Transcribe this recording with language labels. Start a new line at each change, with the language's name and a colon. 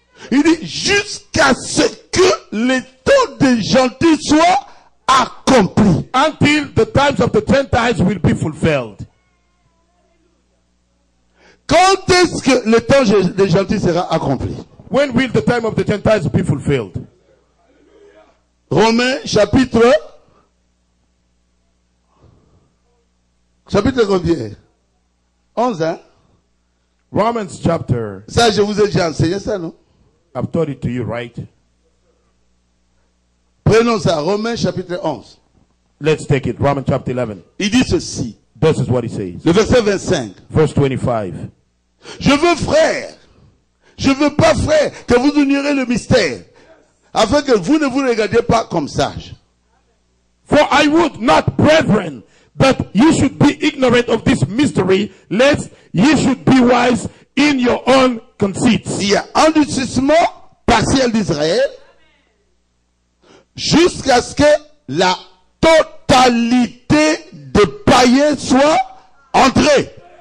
French: Il dit jusqu'à ce que les temps des gentils soient accomplis.
English: Until the times of the Gentiles will be fulfilled.
French: Quand est-ce que le temps des gentils sera accompli?
English: When will the time of the Gentiles be fulfilled?
French: Romains chapitre. Chapitre combien? 11, hein?
English: Romans chapter.
French: Ça, je vous ai déjà enseigné ça, non?
English: I've taught it to you, right?
French: Prenons ça, Romains chapitre 11.
English: Let's take it, Romans chapter 11.
French: Il dit ceci.
English: This is what he says.
French: Le verset 25.
English: Verse 25.
French: Je veux frère. Je veux pas frère que vous ignorez le mystère. Afin que vous ne vous regardiez pas comme sage.
English: For I would not, brethren, that you should be ignorant of this mystery, lest you should be wise in your own conceits.
French: Il y a endurcissement partiel d'Israël jusqu'à ce que la totalité des païens soit entrée.